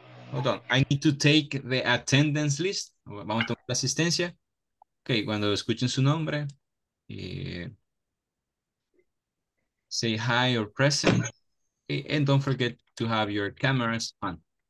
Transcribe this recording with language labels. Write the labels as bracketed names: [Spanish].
[English] Hold on, I need to take the attendance list. [Spanish] Vamos a tomar la asistencia. Ok, cuando escuchen su nombre, [English] say hi or present. Okay, and don't forget to have your cameras on.